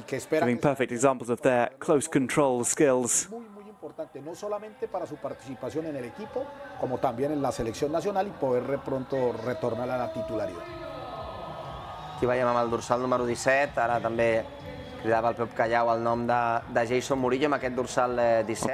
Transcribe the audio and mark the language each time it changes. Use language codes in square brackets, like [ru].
[en] Giving perfect examples of their close control skills. [es] No solamente para su participación en el equipo, como también en la selección nacional y poder pronto retornar a la titularidad. [ca] Aquí veiem amb el dorsal número 17, ara també cridava el Pep Callao el nom de Jason Murillo amb aquest dorsal 17.